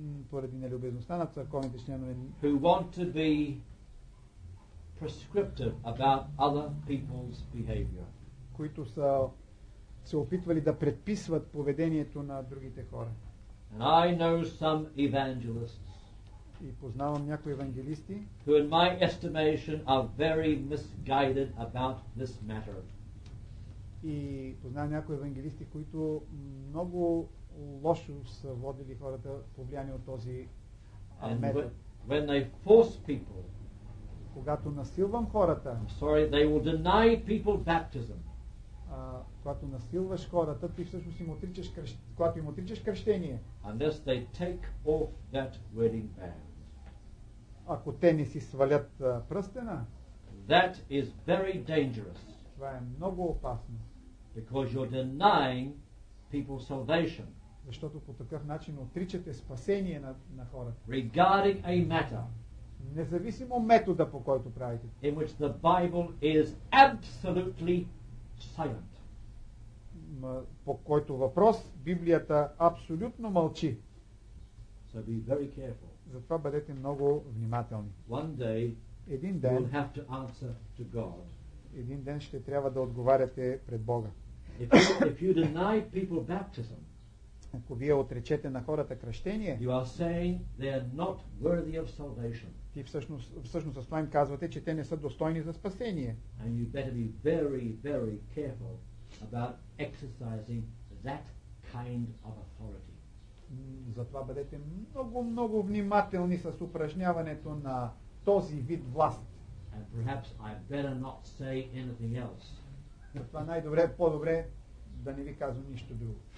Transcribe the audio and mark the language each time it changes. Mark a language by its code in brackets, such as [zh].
[bg] Поради нелюбезността на църковните членове. [en] Who want to be prescriptive about other people's behavior. [bg] Които са се опитвали да предписват поведението на другите хора. [en] And I know some evangelists. [bg] И познавам някои евангелисти. [en] Who in my estimation are very misguided about this matter. [bg] И познавам някои евангелисти, които много лошо са водили хората по влияние от този метод. [en] When they force people, [bg] когато насилвам хората, [en] they will deny people baptism. [bg] Когато насилваш хората, ти всъщност им отричаш когато им отричаш кръщение. [en] Unless they take off that wedding band. [bg] Ако те не си свалят пръстена, [en] that is very dangerous. [bg] Това е много опасно. [en] Because you're denying people salvation. [bg] Защото по такъв начин отричате спасение на хората. [en] Regarding a matter. [bg] Независимо метода, по който правите. [en] In which the Bible is absolutely silent. [bg] По който въпрос Библията абсолютно мълчи. [en] So be very careful. [bg] Затова бъдете много внимателни. [en] One day, [bg] един ден, [en] you'll have to answer to God. [bg] Един ден ще трябва да отговаряте пред Бога. [en] If you deny people baptism, [bg] ако вие отречете на хората кръщение, [en] you are saying they are not worthy of salvation. [bg] Ти всъщност с това им казвате, че те не са достойни за спасение. [en] And you better be very, very careful about exercising that kind of authority. [bg] Затова бъдете много, много внимателни с упражняването на този вид власт. [en] And perhaps I better not say anything else. [bg] Това най-добре, по-добре да не ви казвам нищо друго.